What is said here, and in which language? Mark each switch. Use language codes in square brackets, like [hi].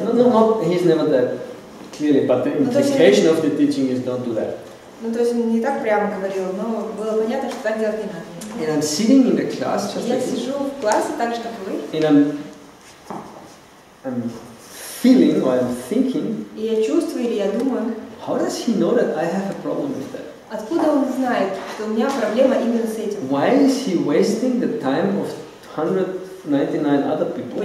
[en] No, he's never that clearly, but the implication of the teaching is don't do that. [ru] Ну то есть он не так прямо говорил, но было понятно, что так делать не надо. [en] And I'm sitting in the class just like. [ru] Я сижу в классе так же, как вы. [en] And I'm feeling or I'm thinking. [ru] И я чувствую или я думаю. [en] How does he know that I have a problem with that? [ru] Откуда он знает, что у меня проблема именно с этим? [en] Why is he wasting the time of 199 other people?